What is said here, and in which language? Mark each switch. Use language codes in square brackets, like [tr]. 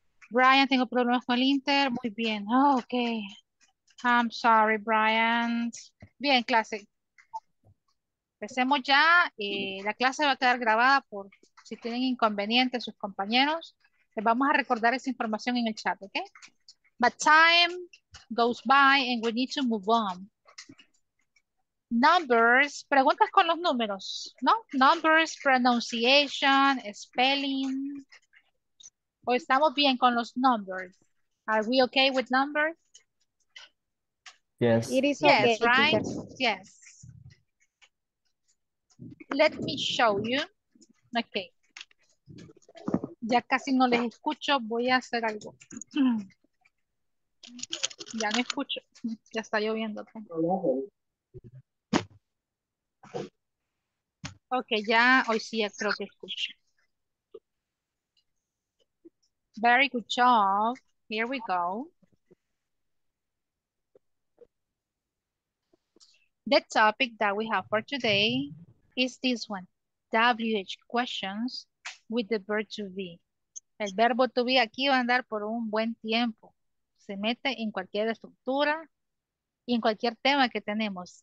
[es] Brian, tengo problemas con el Inter. Muy bien. Oh, ok. [en] I'm sorry, Brian. [es] Bien, clase. Empecemos ya. La clase va a quedar grabada por si tienen inconvenientes sus compañeros. Les vamos a recordar esa información en el chat, ¿ok? [en] But time goes by and we need to move on. [es] Numbers, preguntas con los números, ¿no? [en] Numbers, pronunciation, spelling. [es] ¿O estamos bien con los numbers? [en] Are we okay with numbers? Yes. It is yes, okay. Right? Yes. Let me show you. Okay. [es] Ya casi no les escucho, voy a hacer algo. Ya no escucho, ya está lloviendo. Ok, ya hoy sí creo que escucho. [en] Very good job. Here we go. The topic that we have for today is this one. WH questions with the verb to be. [es] El verbo to be aquí va a andar por un buen tiempo. Se mete en cualquier estructura y en cualquier tema que tenemos.